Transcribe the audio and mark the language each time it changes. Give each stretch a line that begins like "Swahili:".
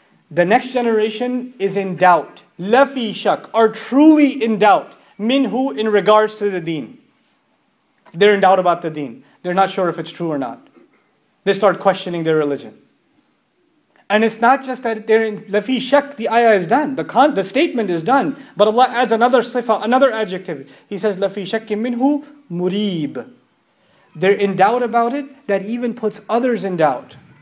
English: The next generation is in doubt.
Arabic: لَفِي شَكٍ,
English: are truly in doubt. مِّنْهُ, in regards to the deen. They're in doubt about the deen. They're not sure if it's true or not. They start questioning their religion. And it's not just that they're in
Arabic: لَفِي شَكٍ,
English: the ayah is done. The statement is done. But Allah adds another sifa, another adjective. He says
Arabic: لَفِي شَكٍ مِّنْهُ مُرِيبٍ.
English: They're in doubt about it, that even puts others in doubt.